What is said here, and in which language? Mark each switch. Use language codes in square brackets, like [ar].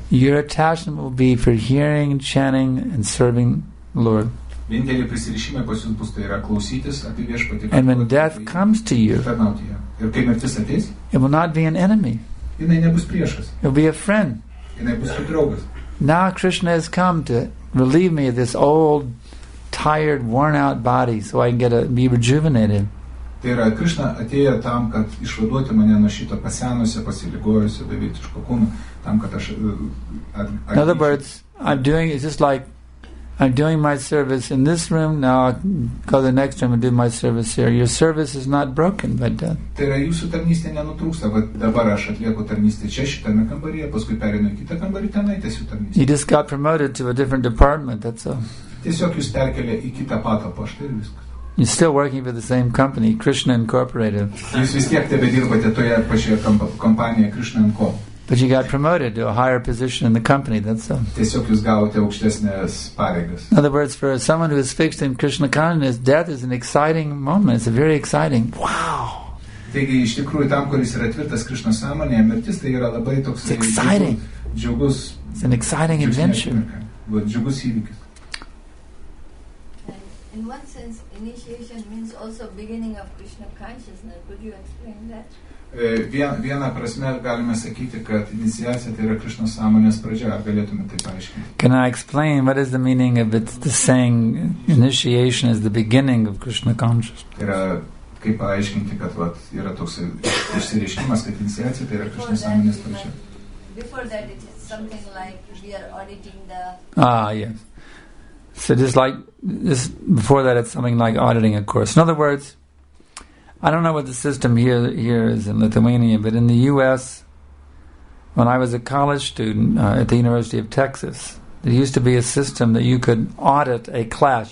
[en] Your attachment will be for hearing, chanting and serving the Lord. [lt] Vienintelis prisirišimai pas jūs bus, tai yra klausytis apie viešpatį. [en] And when death comes to you, [lt] ir kai mirtis ateis, [en] it will not be an enemy. [lt] Jinai nebus priešas. [en] It will be a friend. [lt] Jinai bus kaip draugas. [en] Now Krishna has come to relieve me of this old, tired, worn-out body so I can be rejuvenated. [lt] Tai yra, Krishna atėjo tam, kad išvaduoti mane nuo šito pasenusio, pasiligojusio, beveitiško kūno, tam, kad aš... [en] In other words, I'm doing, it's just like, I'm doing my service in this room, now I go to the next room and do my service here. Your service is not broken by death. [lt] Tai yra, jūsų tarnystė nenutrūksta, bet dabar aš atlieku tarnystę čia, šitame kambaryje, paskui perinu į kitą kambarį, tenai tiesiog tarnystė. [en] You just got promoted to a different department, that's all. [lt] Tiesiog jūs perkelė į kitą patalpą, štai ir viskas. [en] You're still working for the same company, Krishna Incorporated. [lt] Jūs vis tiek tebedirbate toje pačioje kompanijoje, Krishna Inco. [en] But you got promoted to a higher position in the company, that's all. [lt] Tiesiog jūs gavote aukštesnės pareigas. [en] In other words, for someone who is fixed in Krishna consciousness, death is an exciting moment. It's very exciting. Wow! [lt] Taigi, iš tikrųjų, tam, kuris yra tvirtas Krishna sąmonėje, mirtis, tai yra labai toks džiugus. [en] It's an exciting adventure. [lt] Džiugus įvykis. [en] In one sense, initiation means also beginning of Krishna consciousness. Could you explain that? [lt] Viena prasme galime sakyti, kad iniciacija tai yra Krishna sąmonės pradžia. Ar galėtume tai paaiškinti? [en] Can I explain what is the meaning of it, the saying initiation is the beginning of Krishna consciousness? [lt] Yra, kaip paaiškinti, kad vat, yra toks išsireiškimas, kad iniciacija tai yra Krishna sąmonės pradžia. [en] Before that it is something like we are auditing the... Ah, yes. So just like, just before that it's something like auditing a course. In other words, I don't know what the system here is in Lithuania, but in the U.S., when I was a college student at the University of Texas, there used to be a system that you could audit a class.